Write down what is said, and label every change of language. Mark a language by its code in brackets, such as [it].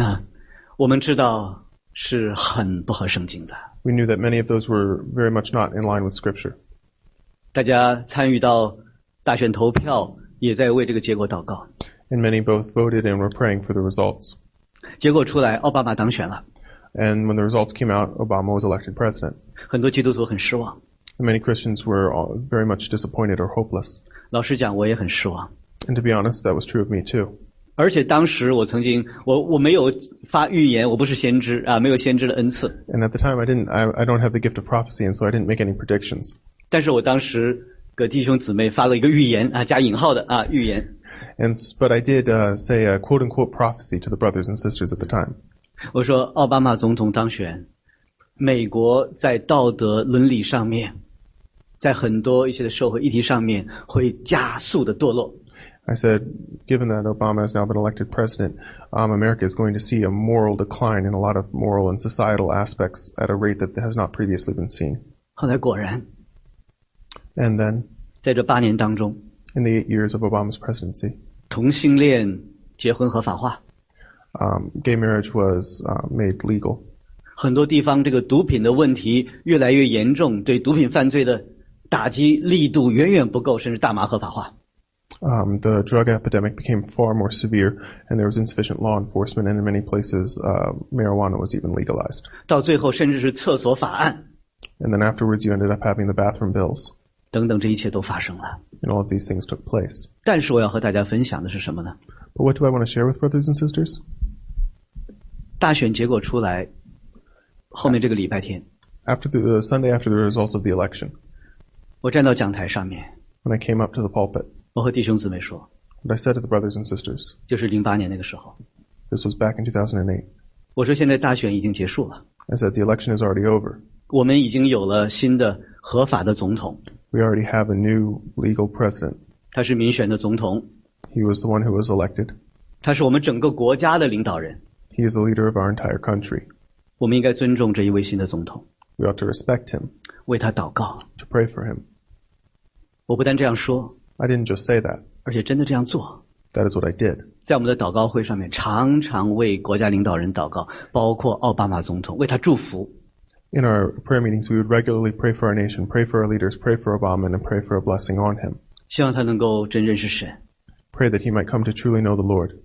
[zh] 啊，我们知道是很不合圣经的。 [en] We knew that many of those were very much not in line with scripture. [zh] 大家参与到大选投票。也在为这个结果祷告。 [en] And many both voted and were praying for the results. [zh] 结果出来，奥巴马当选了。 [en] And when the results came out, Obama was elected president. [zh] 很多基督徒很失望。 [en] And many Christians were very much disappointed or hopeless. [zh] 老实讲，我也很失望。 [en] And to be honest, that was true of me too. [zh] 而且当时我曾经，我没有发预言，我不是先知啊，没有先知的恩赐。 [en] And at the time, I don't have the gift of prophecy, and so I didn't make any predictions. [zh] 但是我当时。个弟兄姊妹发了一个预言啊，加引号的啊预言。 [en] And but I did say a quote unquote prophecy to the brothers and sisters at the time. [zh] 我说奥巴马总统当选，美国在道德伦理上面，在很多一些的社会议题上面会加速的堕落。 [en] I said, given that Obama has now been elected president, America is going to see a moral decline in a lot of moral and societal aspects at a rate that has not previously been seen. [zh] 后来果然。 [en] And then, [zh] 在这八年当中 [en] in the 8 years of Obama's presidency, [zh] 同性恋结婚合法化 [en] gay marriage was made legal. [zh] 很多地方这个毒品的问题越来越严重，对毒品犯罪的打击力度远远不够，甚至大麻合法化 [en] The drug epidemic became far more severe, and there was insufficient law enforcement, and in many places, marijuana was even legalized. [zh] 到最后甚至是厕所法案 [en] And then afterwards, you ended up having the bathroom bills. [zh] 等等，这一切都发生了。 [en] And all of these things took place. [zh] 但是我要和大家分享的是什么呢？ [en] But what do I want to share with brothers and sisters? [zh] 大选结果出来，后面这个礼拜天。 [en] After the Sunday after the results of the election. [zh] 我站到讲台上面。 [en] When I came up to the pulpit. [zh] 我和弟兄姊妹说。 [en] What I said to the brothers and sisters. [zh] 就是零八年那个时候。 [en] This was back in 2008. [zh] 我说现在大选已经结束了。 [en] I said the election is already over. [zh] 我们已经有了新的合法的总统。 [en] We already have a new legal president. [zh] 他是民选的总统。 [en] He was the one who was elected. [zh] 他是我们整个国家的领导人。 [en] He is the leader of our entire country. [zh] 我们应该尊重这一位新的总统。 [en] We ought to respect him. [zh] 为他祷告。 [en] To pray for him. [zh] 我不单这样说。 [en] I didn't just say that. [zh] 而且真的这样做。 [en] That is what I did. [zh] 在我们的祷告会上面，常常为国家领导人祷告，包括奥巴马总统，为他祝福。 [en] In our prayer meetings, we would regularly pray for our nation, pray for our leaders, pray for Obama, and pray for a blessing on him. [zh] 希望他能够真认识神。 [en] Pray that he might come to truly know the Lord.